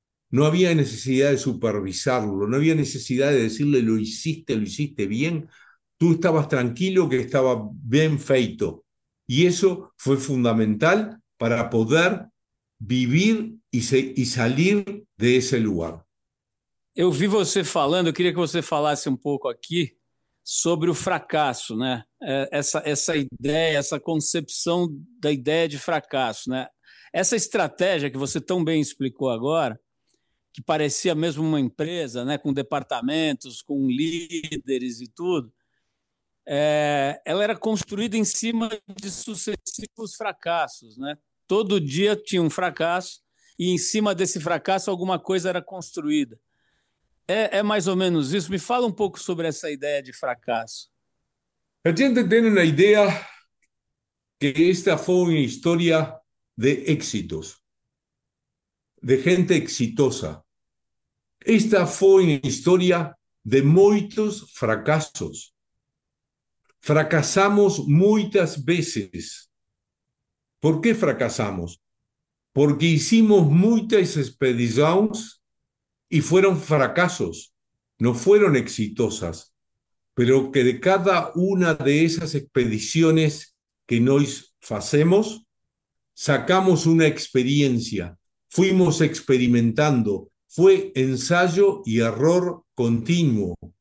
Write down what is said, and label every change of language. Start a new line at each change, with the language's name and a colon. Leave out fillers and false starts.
Spanish: No había necesidad de supervisarlo, no había necesidad de decirle lo hiciste bien. Tú estabas tranquilo que estaba bien
Portuguese: feito.
Spanish: Y eso fue fundamental para poder vivir y salir de ese lugar.
Portuguese: Eu vi você falando, eu queria que você falasse um pouco aqui sobre o fracasso, né? Essa ideia, essa concepção da ideia de fracasso, né? Essa estratégia que você tão bem explicou agora, que parecia mesmo uma empresa, né? Com departamentos, com líderes e tudo, ela era construída em cima de sucessivos fracassos, né? Todo dia tinha um fracasso e em cima desse fracasso alguma coisa era construída. É mais ou menos isso. Me fala um pouco sobre essa ideia de fracasso. A gente tem uma ideia que esta foi uma história de êxitos, de gente exitosa. Esta foi uma história de muitos fracassos. Fracassamos muitas vezes.
Spanish: ¿Por qué fracasamos? Porque hicimos muchas expediciones y fueron fracasos, no fueron exitosas, pero que de cada una de esas expediciones que nos hacemos, sacamos una experiencia, fuimos experimentando, fue ensayo y error continuo.